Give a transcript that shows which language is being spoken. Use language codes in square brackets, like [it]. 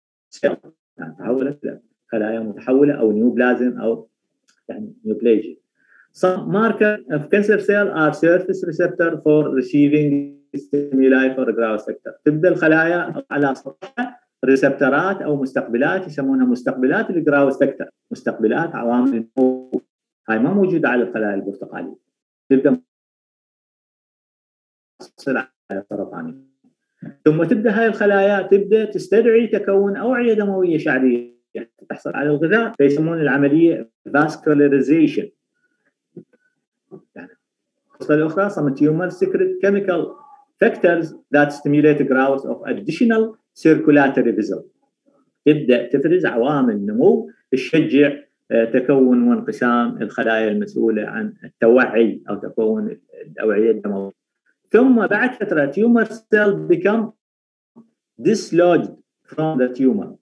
[ar] سيارة يعني تحولت خلايا متحولة أو نيوبلازم أو يعني نيوبليجي. [en] Some marker of cancer cell are surface receptor for receiving stimuli for growth factor. [ar] تبدأ الخلايا على سطحها ريسبترات أو مستقبلات يسمونها مستقبلات الجراوث فاكتور، مستقبلات عوامل النمو، هاي ما موجودة على الخلايا البرتقالية. تبدأ تصل على سرطانية، ثم تبدأ هاي الخلايا تبدأ تستدعي تكون أوعية دموية شعرية تحصل على الغذاء، فيسمون العملية vascularization. قصة الأخرى [en] some tumor secret chemical factors that stimulate growth of additional circulatory vessels. [ar] تبدأ تفرز عوامل نمو تشجع تكون وانقسام الخلايا المسؤولة عن التوعي أو تكون الأوعية الدموية. ثم بعد فترة [en] tumor cell become dislodged from the tumor.